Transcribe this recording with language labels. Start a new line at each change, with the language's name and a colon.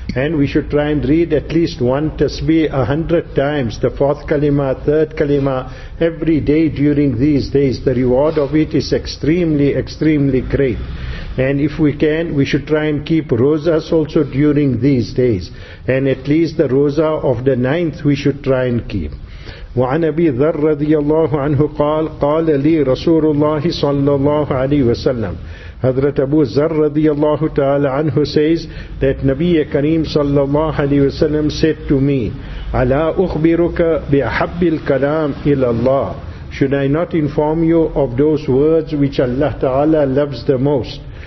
English: And we should try and read at least one tasbih 100 times, the fourth kalima, third kalima, every day during these days. The reward of it is extremely, extremely great. And if we can, we should try and keep rozas also during these days. And at least the roza of the 9th we should try and keep.
Arabic: وعن أبي ذر رضي الله عنه قال قال لي رسول الله صلى الله عليه وسلم.
English: Hazrat Abu Zar
Arabic: رضي الله تعالى عنه
English: says that
Arabic: نبي كريم صلى الله عليه وسلم
English: said to me,
Arabic: ألا أخبرك بأحب الكلام إلى الله,
English: should I not inform you of those words which Allah Ta'ala loves the most?